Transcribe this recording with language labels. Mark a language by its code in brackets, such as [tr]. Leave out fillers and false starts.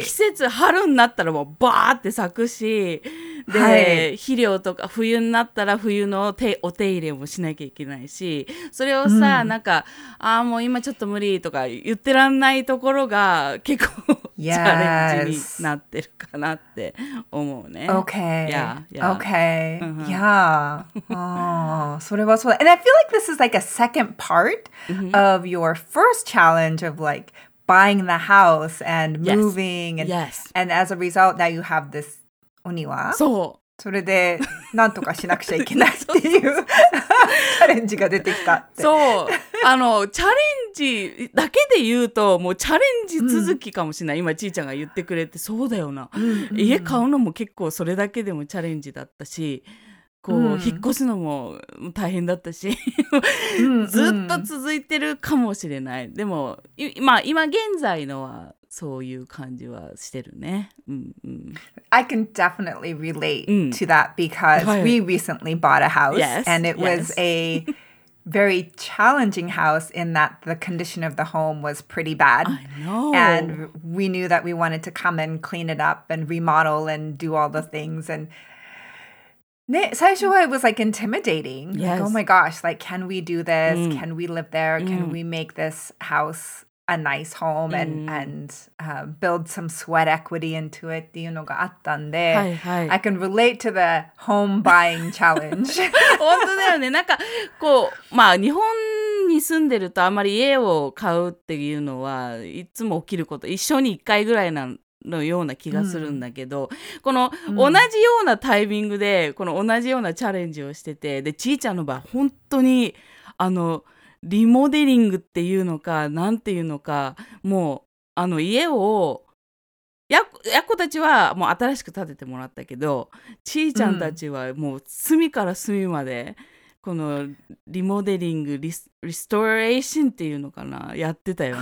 [ja] 季節春になったらもうバーって咲くし、で、はい、肥料とか冬になったら冬のお手入れもしなきゃいけないし、それをさ、うん、なんかあーもう今ちょっと無理とか言ってらんないところが結構 [en] Yes. [ja] チャレンジになってるかなって思うね。 [en] Okay. Yeah. Yeah. Okay. Uh-huh. Yeah. [ja] それはそうだ。 [en] And I feel like this is like a second part of your first challenge of like buying the house and moving. Yes. Yes. And as a result, now you have this お庭。 [ja] そう。それでなんとかしなくちゃいけないっていうチャレンジが出てきたって。そう。あの、チャレンジだけで言うと、もうチャレンジ続きかもしれない。うん、今、ちいちゃんが言ってくれて、そうだよな、うんうん。家買うのも結構それだけでもチャレンジだったし、こう、うん、引っ越すのも大変だったし、ずっと続いてるかもしれない。うんうん、でも、まあ、今現在のは、そういう感じはしてるね。うんうん、 [en] I can definitely relate to that because、はい、we recently bought a house yes, and it was、 yes. a... very challenging house in that the condition of the home was pretty bad. I know. And we knew that we wanted to come and clean it up and remodel and do all the things. And [ja] ね、最初は [en] it was like intimidating. Yes. Like, oh my gosh, like, can we do this? Mm. Can we live there? Mm. Can we make this house a nice home and, mm. and build some sweat equity into it? [ja] っていうのがあったんで、はいはい、 [en] I can relate to the home buying challenge. [ja] 本当だよね。なんかこう、まあ日本に住んでるとあまり家を買うっていうのはいつも起きること、一生に一回ぐらいなのような気がするんだけど、mm. この同じようなタイミングでこの同じようなチャレンジをしてて、でちーちゃんの場合本当にあのリモデリングっていうのかなんていうのか、もうあの家をやっこたちはもう新しく建ててもらったけど、ちーちゃんたちはもう隅から隅までこのリモデリング、リストレーションっていうのかな、やってたよね、